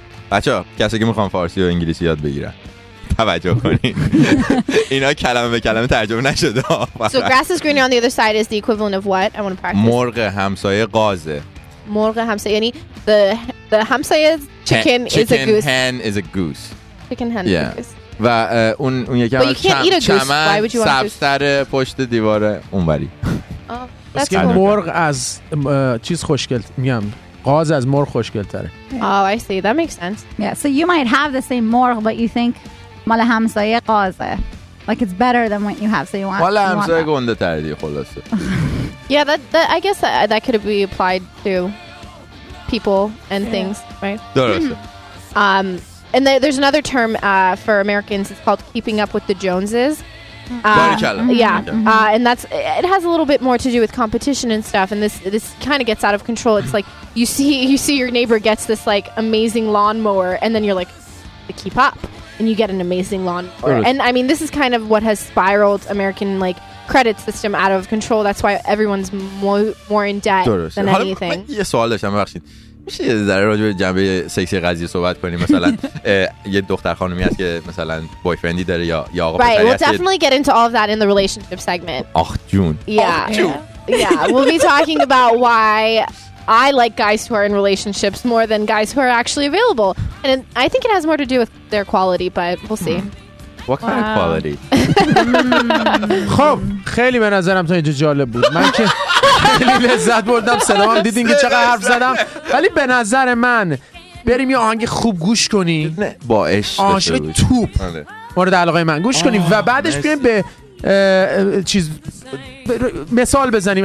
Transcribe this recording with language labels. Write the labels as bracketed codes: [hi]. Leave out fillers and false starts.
[fa] بچه ها کسی که میخوان فارسی و انگلیسی یاد بگیرن توجه کنین. اینا کلمه به کلمه ترجمه نشده. [en] So grass is greener on the other side is the equivalent of what? I want to practice. [fa] مرغ همسایه قازه. مرغ همسایه یعنی [en] the همسایه chicken is a goose. Chicken hen is a goose. Chicken hen is a goose. [fa] و اون یکی هم چمن سبزتر پشت دیواره اونوری. اسکی مرغ از چیز خوشگل میام. قاز از مرغ خوشگل تره. [en] Oh, I see. That makes sense. Yeah, so you might have the same مرغ but you think [fa] مال همسایه قازه. [en] Like it's better than what you have so you want. [fa] مال همسایه گنده تره دیگه خلاصه. [en] Yeah, that I guess that could be applied to people and things, right? [fa] درسته. [en] And there's another term for Americans. It's called keeping up with the Joneses. And that's it has a little bit more to do with competition and stuff. And this kind of gets out of control. It's like you see your neighbor gets this like amazing lawnmower, and then you're like, to keep up, and you get an amazing lawnmower. And I mean, this is kind of what has spiraled American like credit system out of control. That's why everyone's more in debt than anything. [fa] یه سوال داشتم ببخشید. میشه یه ذره راجع به جنبه سکسی قضیه صحبت کنیم؟ مثلا یه دختر خانومی هست که مثلا بویفرندی داره یا آقا پسری هست. [en] Right, we'll definitely get into all of that in the relationship segment. [fa] آخ جون. [en] Yeah, we'll be talking about why I like guys who are in relationships more than guys who are actually available. And I think it has more to do with their quality, but we'll see. What kind of quality? [fa] خب خیلی به نظرم تا اینجا جالب بود. من که خیلی لذت بردم صدام هم دیدین که چقدر حرف زدم. ولی به نظر من بریم یه آهنگ خوب گوش کنی با عشق عاشق توپ مورد علاقه من گوش کنی و بعدش بیایم به چیز مثال بزنیم.